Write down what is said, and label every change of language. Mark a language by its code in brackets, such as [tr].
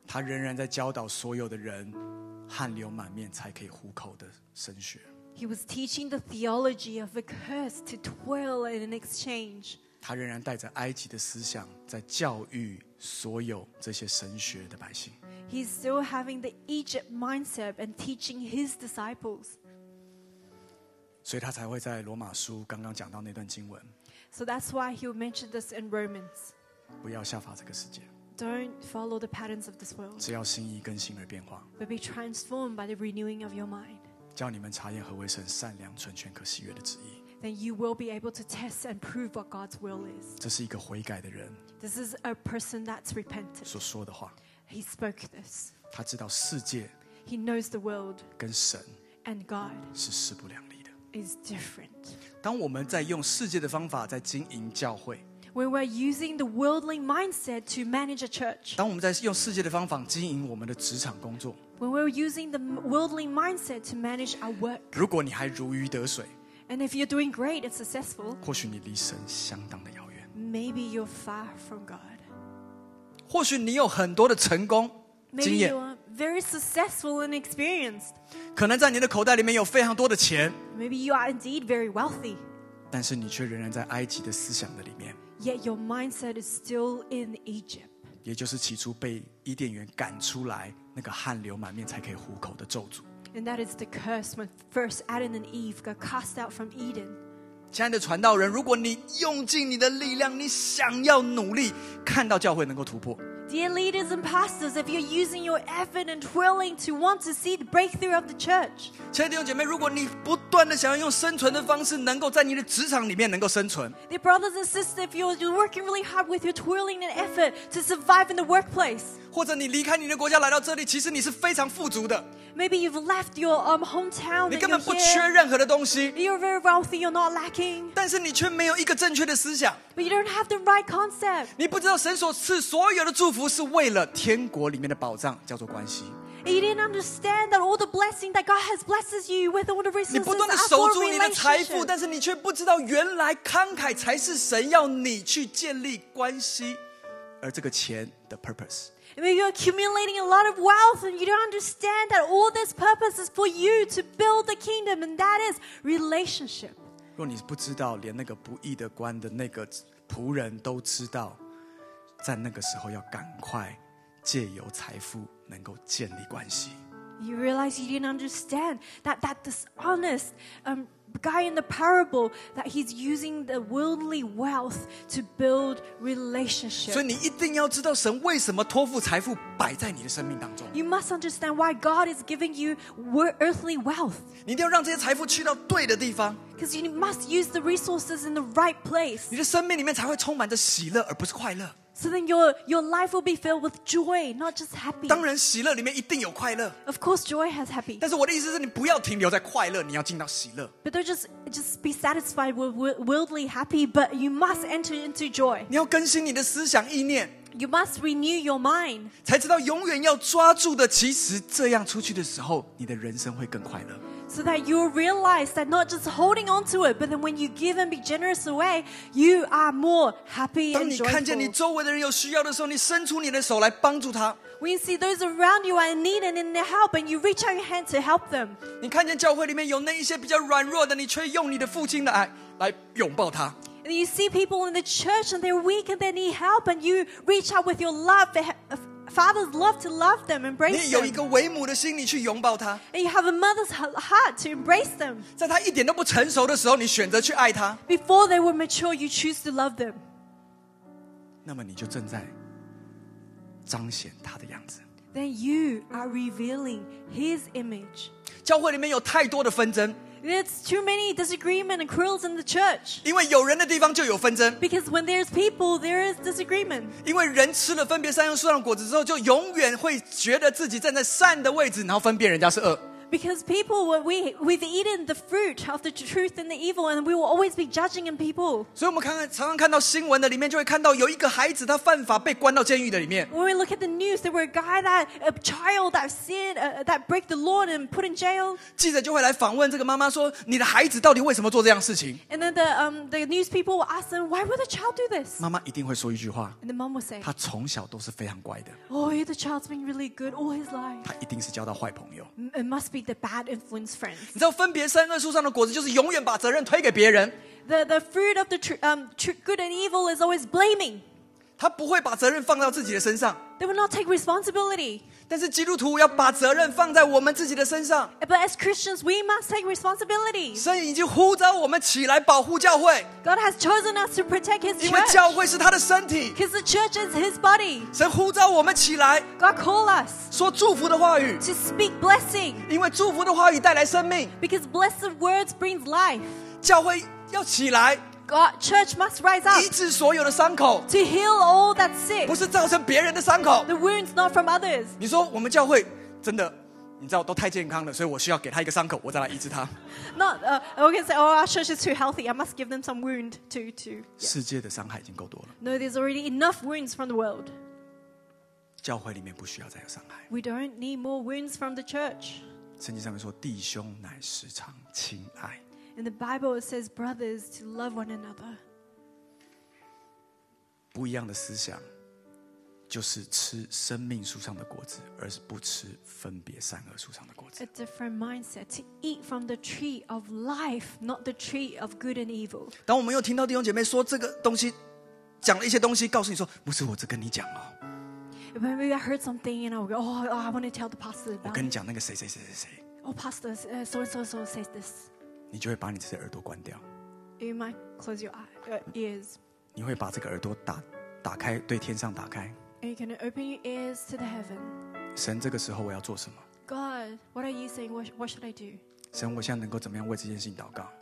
[zh] 他仍然在教导所有的人汗流满面才可以糊口的神学。 [en] He was teaching the theology of a curse to toil in an exchange. [zh] 他仍然带着埃及的思想在教育所有这些神学的百姓。 [en] He's still having the Egypt mindset and teaching his disciples. [zh] 所以他才会在罗马书刚刚讲到那段经文。 [en] So that's why he mentioned this in Romans. [zh] 不要效法这个世界。 [en] Don't follow the patterns of this world. [zh] 只要心意更新而变化。 [en] But be transformed by the renewing of your mind. [zh] 叫你们查验何为神善良、纯全、可喜悦的旨意。 [en] Then you will be able to test and prove what God's will is. [zh] 这是一个悔改的人。 [en] This is a person that's repented. [zh] 所说的话。 [en] He spoke this. [zh] 他知道世界。 [en] He knows the world. [zh] 跟神。 [en] And God. [zh] 是势不两立的。 [en] Is different. [zh] 当我们在用世界的方法在经营教会。 [en] When we're using the worldly mindset to manage a church. [zh] 当我们在用世界的方法经营我们的职场工作。 [en] When we're using the worldly mindset to manage our work, [zh] 如果你还如鱼得水, [en] and if you're doing great and successful, [zh] 或许你离神相当的遥远, [en] maybe you're far from God. [zh] 或许你有很多的成功经验, [en] maybe you're very successful and experienced. [zh] 可能在你的口袋里面有非常多的钱, [en] maybe you are indeed very wealthy. [zh] 但是你却仍然在埃及的思想的里面, [en] yet your mindset is still in Egypt. [zh] 也就是起初被伊甸园赶出来那个汗流满面才可以糊口的咒诅。 [en] And that is the curse when first Adam and Eve got cast out from Eden. [zh] 亲爱的传道人，如果你用尽你的力量，你想要努力看到教会能够突破。 [en] Dear leaders and pastors, if you're using your effort and willing to want to see the breakthrough of the church. [zh] 亲爱的弟兄姐妹，如果你不断的想要用生存的方式能够在你的职场里面能够生存。 [en] Dear brothers and sisters, if you're working really hard with your toiling and effort to survive in the workplace. [zh] 或者你离开你的国家来到这里，其实你是非常富足的。 [en] Maybe you've left your hometown. [zh] 你根本不缺任何的东西。 [en] You're very wealthy, you're not lacking. [zh] 但是你却没有一个正确的思想。 [en] But you don't have the right concept. [zh] 你不知道神所赐所有的祝福是为了天国里面的保障，叫做关系。 [en] You didn't understand that all the blessing that God has blesses you with all the resources. [zh] 你不断地守住你的财富，但是你却不知道原来慷慨才是神要你去建立关系，而这个钱的 purpose. [en] Maybe you're accumulating a lot of wealth and you don't understand that all this purpose is for you to build the kingdom and that is relationship. [zh] 若你不知道连那个不义的官的那个仆人都知道在那个时候要赶快借由财富能够建立关系。 [en] You realize you didn't understand that this honest guy in the parable that he's using the worldly wealth to build relationship. [zh] 所以你一定要知道神为什么托付财富摆在你的生命当中。 [en] You must understand why God is giving you earthly wealth. [zh] 你一定要让这些财富去到对的地方。 [en] Because you must use the resources in the right place. [zh] 你的生命里面才会充满着喜乐而不是快乐。 [en] So then your life will be filled with joy, not just happy. [zh] 当然喜乐里面一定有快乐。 [en] Of course joy has happy. [zh] 但是我的意思是你不要停留在快乐，你要进到喜乐。 [en] But don't just be satisfied with worldly happy, but you must enter into joy. [zh] 你要更新你的思想意念。 [en] You must renew your mind. [zh] 才知道永远要抓住的，其实这样出去的时候，你的人生会更快乐。 [en] so that you realize that not just holding on to it, but then when you give and be generous away, you are more happy and joyful. [zh] 当你看见你周围的人有需要的时候，你伸出你的手来帮助他。 [en] When you see those around you are in need and in their help, and you reach out your hand to help them. [zh] 你看见教会里面有那一些比较软弱的，你却用你的父亲的爱来拥抱他。 [en] And you see people in the church and they're weak and they need help, and you reach out with your love, Father's love to love them, embrace them. [zh] 你有一个为母的心，你去拥抱他。 [en] And you have a mother's heart to embrace them. [zh] 在他一点都不成熟的时候，你选择去爱他。 [en] Before they were mature, you choose to love them. [zh] 那么你就正在彰显他的样子。 [en] Then you are revealing his image. [zh] 教会里面有太多的纷争。 [en] There's too many disagreements and quarrels in the church. [zh] 因为有人的地方就有纷争。 [en] Because when there's people, there is disagreement. [zh] 因为人吃了分别善恶树上的果子之后，就永远会觉得自己站在善的位置，然后分辨人家是恶。 [en] Because people, we've eaten the fruit of the truth and the evil, and we will always be judging in people. [zh] 所以我们常常看到新闻的里面，就会看到有一个孩子他犯法被关到监狱的里面。 [en] When we look at the news, there were a guy that a child that sinned, that break the law and put in jail. [zh] 记者就会来访问这个妈妈说：“你的孩子到底为什么做这样事情？” [en] And then the news people will ask them, "Why would the child do this?" [zh] 妈妈一定会说一句话。 [en] And the mom will say, [zh] 他从小都是非常乖的。 [en] Oh, the child's been really good all his life. [zh] 他一定是交到坏朋友。 [en] It must be. The bad influence friends. [zh] 你知道分别善恶树上的果子就是永远把责任推给别人。 [en] The fruit of the good and evil is always blaming. [zh] 他不会把责任放到自己的身上。 [en] They will not take responsibility. [zh] 但是基督徒要把责任放在我们自己的身上。 [en] But as Christians, we must take responsibility. [zh] 神已经呼召我们起来保护教会。 [en] God has chosen us to protect His church. [zh] 因为教会是他的身体。 [en] Because the church is His body. [zh] 神呼召我们起来。 [en] God call us. [zh] 说祝福的话语。 [en] To speak blessing. [zh] 因为祝福的话语带来生命。 [en] Because blessed words brings life. [zh] 教会要起来。 [en] God, church must rise up [zh] 医治所有的伤口 [en] to heal all that's sick [zh] 不是造成别人的伤口 [en] the wounds not from others [zh] 你说我们教会真的你知道都太健康了所以我需要给他一个伤口我再来医治他 [en] not, we can say, oh, our church is too healthy I must give them some wound to、yeah. [zh] 世界的伤害已经够多了 [en] No, there's already enough wounds from the world [zh] 教会里面不需要再有伤害 [en] We don't need more wounds from the church [zh] 圣经上面说弟兄乃时常亲爱 [en] In the Bible, it says brothers to love one another. [zh] 不一样的思想，就是吃生命树上的果子，而不吃分别善恶树上的果子。 [en] A different mindset to eat from the tree of life, not the tree of good and evil. [zh] 当我们又听到弟兄姐妹说这个东西，讲了一些东西，告诉你说，不是我只跟你讲哦。 [en] When we heard something, and I go, oh, I want to tell the pastor about. [zh] 我跟你讲那个谁谁谁谁谁。 [en] Oh, pastor, so and so so says this. [zh] 你就会把你这些耳朵关掉。 [en] You might close your ears. [zh] 你会把这个耳朵打开，对天上打开。 [en] And you can open your ears to the heaven. [zh] 神，这个时候我要做什么 [en] ？God, what are you saying? What should I do? [zh] 神，我现在能够怎么样为这件事情祷告